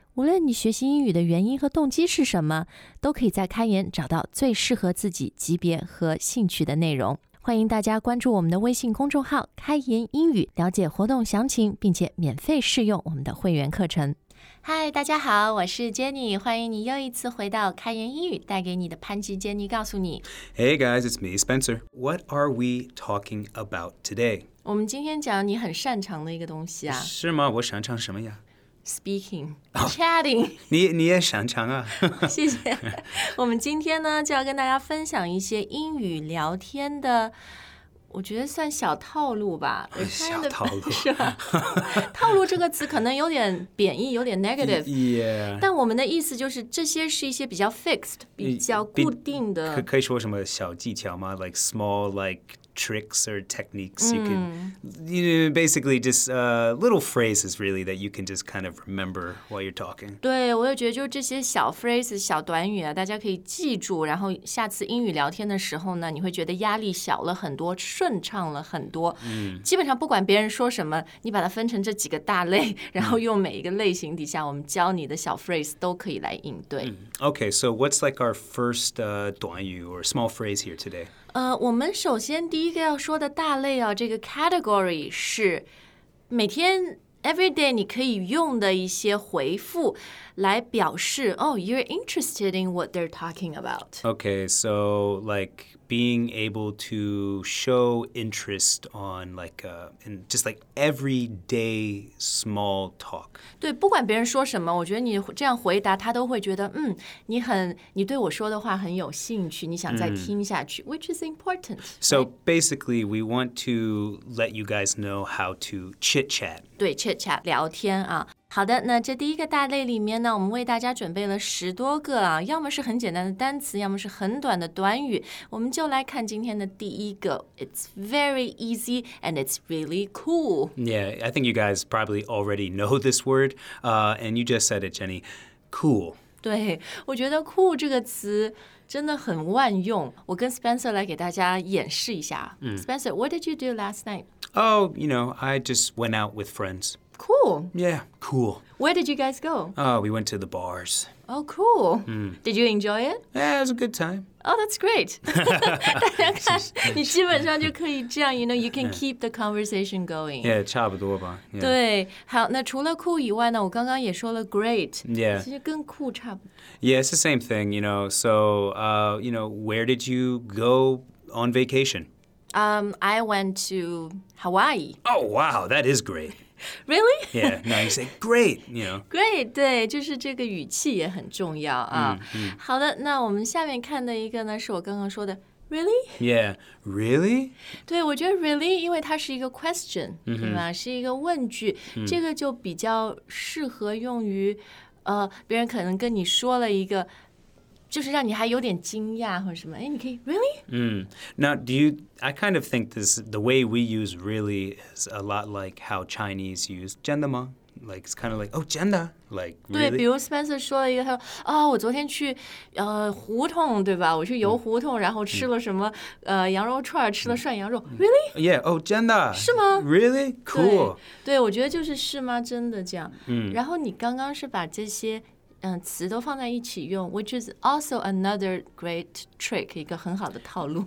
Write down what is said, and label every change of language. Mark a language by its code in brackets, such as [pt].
[zh] 无论你学习英语的原因和动机是什么，都可以在开言找到最适合自己级别和兴趣的内容。欢迎大家关注我们的微信公众号开言英语，了解活动详情，并且免费试用我们的会员课程。嗨，大家好，我是 Jenny， 欢迎你又一次回到开言英语，带给你的潘吉 Jenny 告诉你。 [en] Hey guys, it's me, Spencer. What are we talking about today? [zh] 我们今天讲你很擅长的一个东西啊。是吗？我擅长什么呀？ [en] Speaking, chatting、oh, [zh] 你也擅长啊谢谢我们今天呢就要跟大家分享一些英语聊天的我觉得算小套路吧小套路是吧套路这个词可能有点贬义有点 negative、 [en] yeah. [zh] 但我们的意思就是这些是一些比较 fixed 比较固定的可以说什么小技巧吗 [en] like small liketricks or techniques you can、mm. you know, basically just、little phrases really that you can just kind of remember while you're talking [zh] 对我也觉得就是这些小 phrases 小短语啊大家可以记住然后下次英语聊天的时候呢你会觉得压力小了很多顺畅了很多、mm. 基本上不管别人说什么你把它分成这几个大类然后用每一个类型底下我们教你的小 phrase 都可以来应对、mm. [en] Okay, so what's like our first、短语 or small phrase here today? [zh] 我们首先第一个要说的大类啊，这个 category 是每天 everyday 你可以用的一些回复来表示 [en] Oh, you're interested in what they're talking about. Okay, so like being able to show interest on like in just like everyday small talk. [zh] 对，不管别人说什么，我觉得你这样回答，他都会觉得嗯，你很你对我说的话很有兴趣，你想再听下去、mm. [en] ，which is important. So、right? basically, we want to let you guys know how to chit chat. [zh] 对 ，chit chat 聊天啊。好的，那这第一个大类里面呢，我们为大家准备了十多个啊，要么是很简单的单词，要么是很短的短语。我们就来看今天的第一个 [en] ，It's very easy and it's really cool. Yeah, I think you guys probably already know this word. And you just said it, Jenny. Cool. [zh] 对，我觉得 cool 这个词真的很万用。我跟 Spencer 来给大家演示一下。 Mm. [en] Spencer, what did you do last night? Oh, you know, I just went out with friends. Cool. Yeah, cool. Where did you guys go? Oh, we went to the bars. Oh, cool. Mm. Did you enjoy it? Yeah, it was a good time. Oh, that's great. [zh] 大家看，你基本上就可以这样 [en] ，you know, you can keep the conversation going. [zh] Yeah, 差不多吧。对，好，那除了 cool 以外呢，我刚刚也说了 great. [en] Yeah. [zh] 其实跟 cool 差不多。 [en] Yeah, it's the same thing, you know. So, you know, where did you go on vacation? I went to Hawaii. Oh, wow, that is great. Really? Yeah, now you say great, you know. [zh] Great, 对，就是这个语气也很重要啊。 Mm, mm. 好的，那我们下面看的一个呢，是我刚刚说的 really? [en] Yeah, really? [zh] 对，我觉得 really, 因为它是一个 question,、mm-hmm. 对吧？是一个问句、mm. 这个就比较适合用于、别人可能跟你说了一个就是让你还有点惊讶或者什么，哎，你可以 really? Mm. [en] Now, do you, I kind of think this, the way we use really is a lot like how Chinese use [zh] 真的吗? [en] Like, it's kind of like, oh, [zh] 真的? [en] Like, really? [zh] 对，比如 Spencer 说了一个，他说，哦，我昨天去胡同，对吧？我去游胡同，然后吃了什么羊肉串，吃了涮羊肉。 [en] Really? Yeah, oh, [zh] 真的。是吗？ [en] Really? Cool. [zh] 对，我觉得就是是吗？真的这样。然后你刚刚是把这些词都放在一起用 [en] which is also another great trick, [zh] 一个很好的套路。